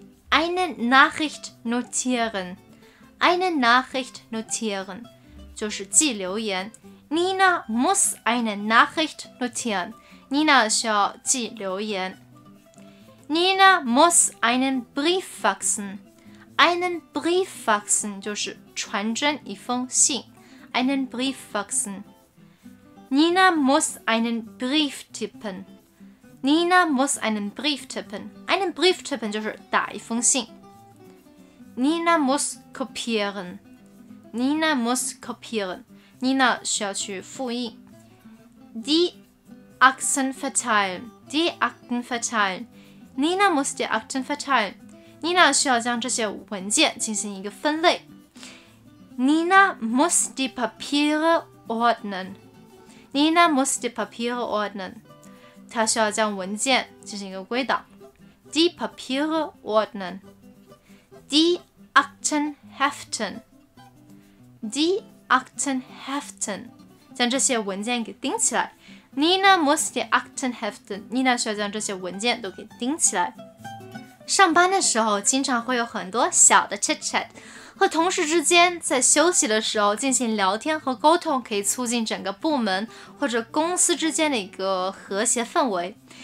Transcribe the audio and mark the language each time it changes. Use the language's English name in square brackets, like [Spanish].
[German] Eine Nachricht notieren. Eine Nachricht notieren. [Chinese] 就是记留言。 [German] Nina muss eine Nachricht notieren. [Chinese] Nina 需要记留言. [German] Nina muss einen Brief faxen. Einen Brief faxen [Chinese] 就是传真一封信. [German] Einen Brief faxen. Nina muss einen Brief tippen. Nina muss einen Brief tippen. Einen Brief tippen [Chinese] 就是打一封信. [German] Nina muss kopieren. Nina muss kopieren. [Chinese] Nina 需要去复印. [German] Die Akten verteilen. Die Akten verteilen. Nina muss die Akten verteilen. [Chinese] Nina 需要将这些文件进行一个分类. [German] Nina muss die Papiere ordnen. Nina muss die Papiere ordnen. [Chinese] 她需要将文件进行一个归档. [German] Die Papiere ordnen. Die Akten heften. Die Akten heften. [Chinese] 将这些文件给钉起来. [German] Nina muss die Akten heften. [Chinese] Nina 需要将这些文件都给钉起来.上班的时候经常会有很多小的 chit-chat， 和同事之间在休息的时候进行聊天和沟通，可以促进整个部门或者公司之间的一个和谐氛围。